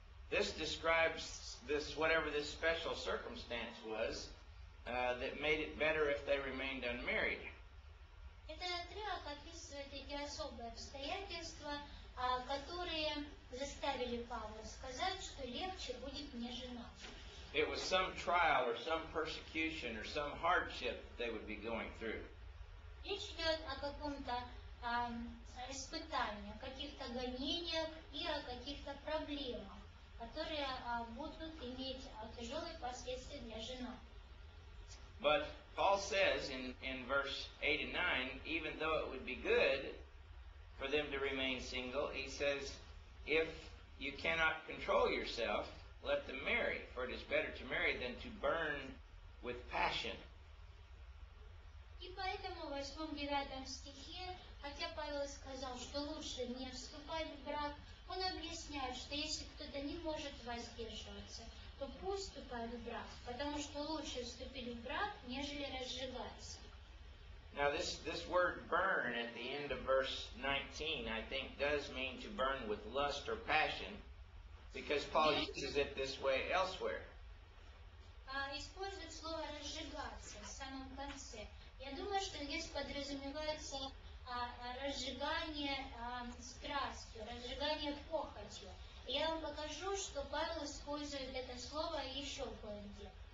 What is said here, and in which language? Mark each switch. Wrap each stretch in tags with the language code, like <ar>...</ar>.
<en>This describes this, whatever this special circumstance was, that made it better if they remained unmarried.</en> <ru>Это отрывок описывает эти особые обстоятельства, которые заставили Павла сказать, что легче будет не женат.</ru> <en>It was some trial or some persecution or some hardship they would be going through.</en> <ru>Речь идет о каком-то испытании, о каких-то гонениях и о каких-то проблемах, которые будут иметь тяжелые последствия для женат.</ru> <en>But Paul says in verse 8 and 9, even though it would be good for them to remain single, he says, if you cannot control yourself, let them marry, for it is better to marry than to burn with passion.</en> <ru>И поэтому в 8, 9 стихе, хотя Павел сказал, что лучше не вступать в брак, он объясняет, что если кто-то не может воздерживаться, то пусть вступает в брак, потому что лучше вступить в брак, нежели разжигаться.</ru> <en>Now this word burn at the end of verse 19, I think, does mean to burn with lust or passion, because Paul uses it this way elsewhere.</en> <ru>Использует слово разжигаться в самом конце. Я думаю, что здесь подразумевается разжигание страстью, разжигание похотью. Я вам покажу, что Павел использует это слово еще кое-где.</ru>